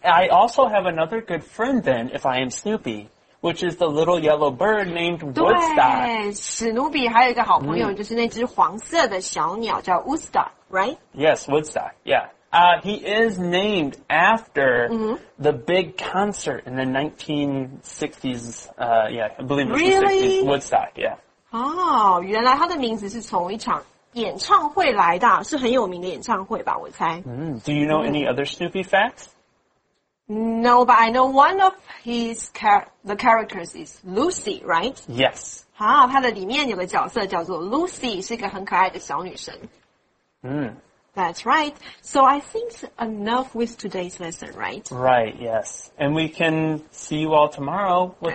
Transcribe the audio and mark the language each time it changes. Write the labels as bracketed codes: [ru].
[en] I also have another good friend then, if I am Snoopy, which is the little yellow bird named Woodstock. [zh] 对，史努比还有一个好朋友，就是那只黄色的小鸟叫 Woodstock。 [en] Right? Yes, Woodstock, yeah. He is named after the big concert in the 1960s, yeah, I believe it was really? The 60s, Woodstock, yeah. [zh] Oh, 原来他的名字是从一场演唱会来的，是很有名的演唱会吧，我猜。 [en] Do you know any other Snoopy facts? No, but I know one of his the characters is Lucy, right? Yes. [zh] 好，他的里面有个角色叫做 Lucy, 是一个很可爱的小女生。 [en] That's right. So I think enough with today's lesson, right? Right, yes. And we can see you all tomorrow with